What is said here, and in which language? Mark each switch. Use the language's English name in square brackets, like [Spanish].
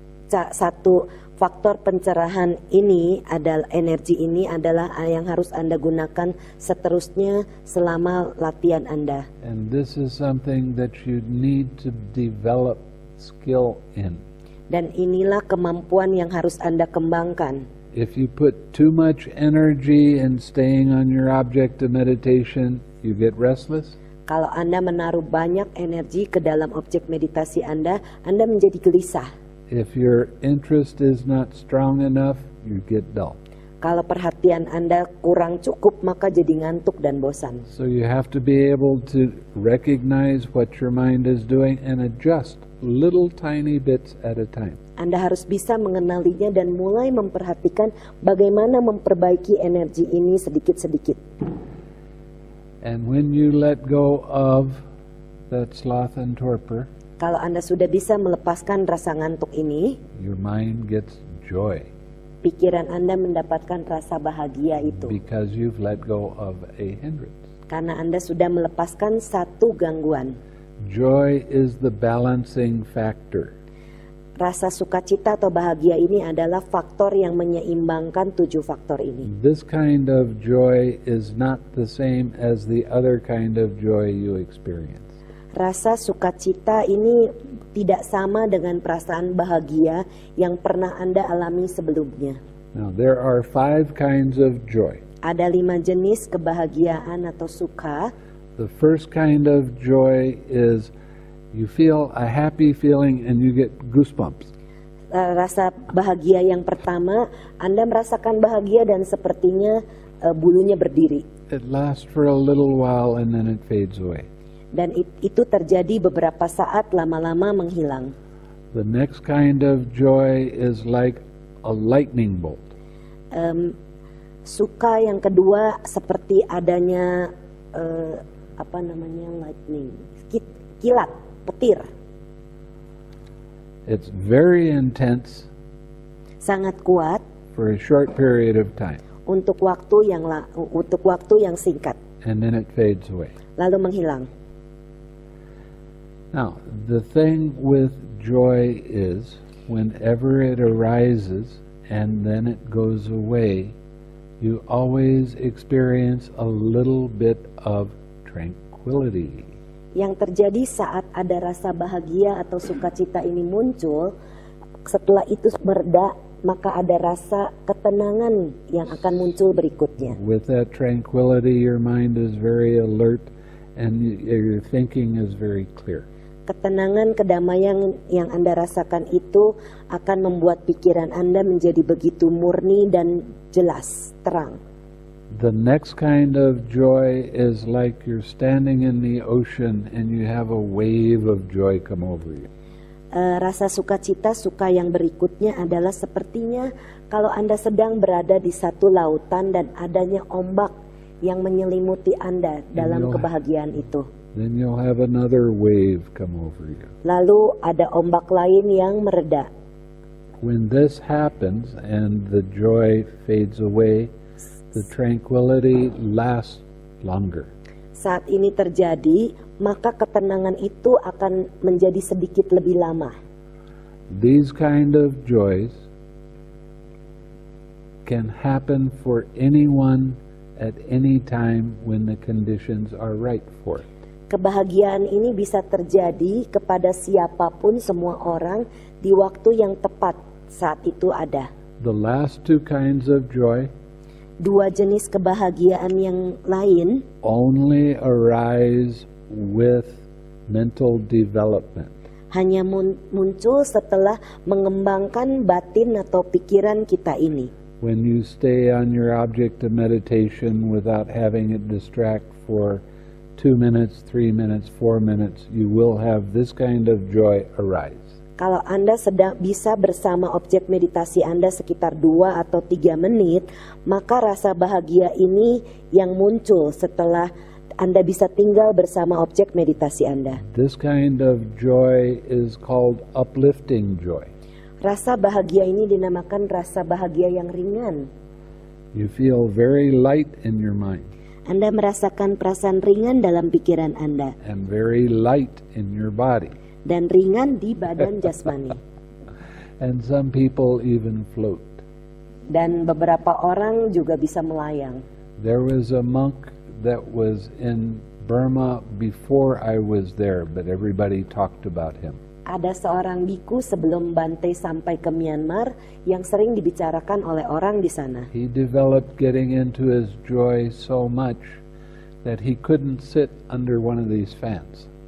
[Indonesian] Satu faktor pencerahan ini adalah energi ini adalah yang harus Anda gunakan seterusnya selama latihan Anda. [English] And this is something that you need to develop skill in. [Indonesian] Dan inilah kemampuan yang harus Anda kembangkan. [English] If you put too much energy in staying on your object of meditation, you get restless. [Indonesian] Kalau Anda menaruh banyak energi ke dalam objek meditasi Anda, Anda menjadi gelisah. [English] If your interest is not strong enough, you get dull. [Indonesian] Kalau perhatian Anda kurang cukup, maka jadi ngantuk dan bosan. [English] So you have to be able to recognize what your mind is doing and adjust little tiny bits at a time. [Indonesian] Anda harus bisa mengenalinya dan mulai memperhatikan bagaimana memperbaiki energi ini sedikit-sedikit. [English] And when you let go of that sloth and torpor, [Indonesian] kalau Anda sudah bisa melepaskan rasa ngantuk ini, [English] your mind gets joy. [Indonesian] Pikiran Anda mendapatkan rasa bahagia itu. [English] Because you've let go of a hindrance. [Indonesian] Karena Anda sudah melepaskan satu gangguan. [English] Joy is the balancing factor. [Indonesian] Rasa sukacita atau bahagia ini adalah faktor yang menyeimbangkan tujuh faktor ini. [English] This kind of joy is not the same as the other kind of joy you experience. [Indonesian] Rasa sukacita ini tidak sama dengan perasaan bahagia yang pernah Anda alami sebelumnya. [English] Now, there are five kinds of joy. [Indonesian] Ada lima jenis kebahagiaan atau suka. [English] The first kind of joy is you feel a happy feeling and you get goosebumps. [Indonesian] Rasa bahagia yang pertama, Anda merasakan bahagia dan sepertinya bulunya berdiri. [English] It lasts for a little while and then it fades away. [Indonesian] Dan itu terjadi beberapa saat lama-lama menghilang. [English] The next kind of joy is like a lightning bolt. [Indonesian] Suka yang kedua seperti adanya lightning. Kilat, petir. [English] It's very intense. [Indonesian] Sangat kuat. [English] For a short period of time. [Indonesian] Untuk waktu yang singkat. [English] And then it fades away. [Indonesian] Lalu menghilang. [English] Now, the thing with joy is, whenever it arises and then it goes away, you always experience a little bit of tranquility. [Indonesian] Yang terjadi saat ada rasa bahagia atau sukacita ini muncul, setelah itu mereda, maka ada rasa ketenangan yang akan muncul berikutnya. [English] With that tranquility, your mind is very alert and your thinking is very clear. [Indonesian] Ketenangan, kedamaian yang Anda rasakan itu akan membuat pikiran Anda menjadi begitu murni dan jelas, terang. [English] The next kind of joy is like you're standing in the ocean and you have a wave of joy come over you. [Indonesian] Rasa sukacita, suka yang berikutnya adalah sepertinya kalau Anda sedang berada di satu lautan dan adanya ombak yang menyelimuti Anda dalam kebahagiaan itu. [English] Then you'll have another wave come over you. [Indonesian] Lalu ada ombak lain yang mereda. [English] When this happens and the joy fades away, the tranquility last longer. [Indonesian] Saat ini terjadi, maka ketenangan itu akan menjadi sedikit lebih lama. [English] These kind of joys can happen for anyone at any time when the conditions are right for it. [Indonesian] Kebahagiaan ini bisa terjadi kepada siapapun, semua orang, di waktu yang tepat saat itu ada. [English] The last two kinds of joy, [Indonesian] dua jenis kebahagiaan yang lain, [English] only arise with mental development. [Indonesian] Hanya muncul setelah mengembangkan batin atau pikiran kita ini. [English] When you stay on your object of meditation without having it distract for 2 minutes, 3 minutes, 4 minutes, you will have this kind of joy arise. [Indonesian] Kalau Anda sedang bisa bersama objek meditasi Anda sekitar 2 atau 3 menit, maka rasa bahagia ini yang muncul setelah Anda bisa tinggal bersama objek meditasi Anda. [English] This kind of joy is called uplifting joy. [Indonesian] Rasa bahagia ini dinamakan rasa bahagia yang ringan. [English] You feel very light in your mind. [Indonesian] Anda merasakan perasaan ringan dalam pikiran Anda. [English] And very light in your body. [Indonesian] Dan ringan di badan jasmani. [English] And some people even float. [Indonesian] Dan beberapa orang juga bisa melayang. [English] There was a monk that was in Burma before I was there, but everybody talked about him. [Indonesian] Ada seorang biku sebelum Bante sampai ke Myanmar yang sering dibicarakan oleh orang di sana. [English] He developed getting into his joy so much that he couldn't sit under one of these fans.